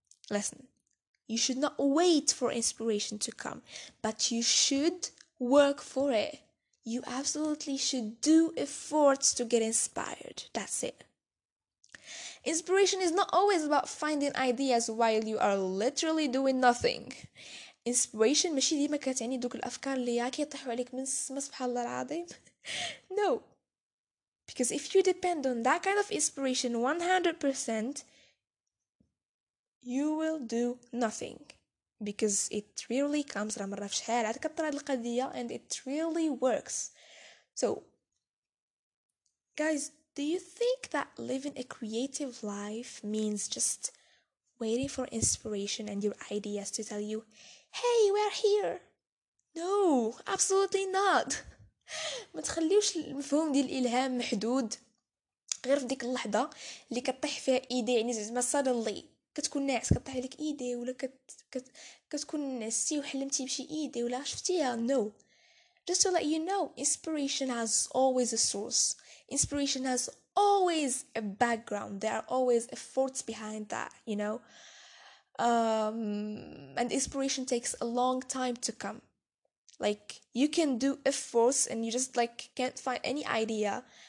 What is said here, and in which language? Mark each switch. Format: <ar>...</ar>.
<en>Listen, you should not wait for inspiration to come, but you should work for it. You absolutely should do efforts to get inspired. That's it. Inspiration is not always about finding ideas while you are literally doing nothing.</en> <ar>Inspiration ماشي ديما كتعني دوك الأفكار اللي ياك يطيحوا عليك من السما سبحان الله العظيم.</ar> <en>No. Because if you depend on that kind of inspiration 100%, you will do nothing. Because it really comes and it really works. So, guys, do you think that living a creative life means just waiting for inspiration and your ideas to tell you, hey, we're here? No, absolutely not.</en> <ar>ما تخليوش المفهوم ديال الالهام محدود غير في ديك اللحظه اللي كطيح فيها ايدي, يعني زعما suddenly كتكون ناعس كطيح لك ايدي ولا كتكون نسيتي وحلمتي بشي ايدي ولا شفتيها.</ar> <en>No, just to let you know, inspiration has always a source, inspiration has always a background, there are always efforts behind that, you know, and inspiration takes a long time to come. Like, you can do a force and you just like can't find any idea.</en>